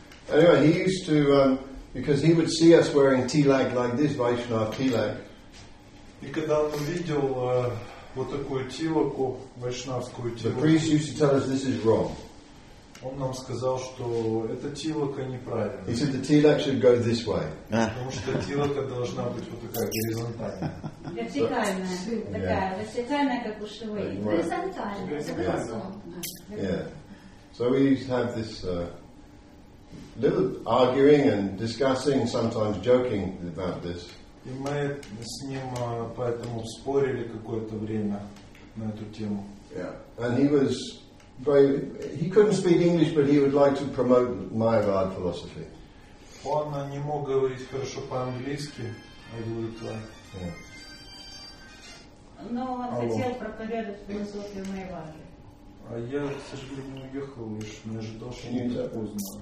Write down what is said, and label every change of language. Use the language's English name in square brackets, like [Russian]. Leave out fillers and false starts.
[English] Anyway, he used to, because he would see us wearing tilak like this, Vaishnav tilak. [Russian] И когда он увидел вот такую тилаку, вайшнавскую тилаку, [English] the priest used to tell us this is wrong. [Russian] Он нам сказал, что эта тилака неправильная. [English] He said the tilak should go this way. [Russian] Потому что тилака должна быть вот такая горизонтальная. Вертикальная, как у швей. [English] So we used to have this little arguing and discussing, sometimes joking about this. [Russian] И мы с ним поэтому спорили какое-то время на эту тему. [English] Yeah, and he was very—he couldn't speak English, but he would like to promote Mayavad philosophy. [Russian] Он не мог говорить хорошо по-английски, а говорит он. Но он хотел проповедовать философию Майявады. А я, к сожалению, не уехал, лишь не ожидал, что не так поздно.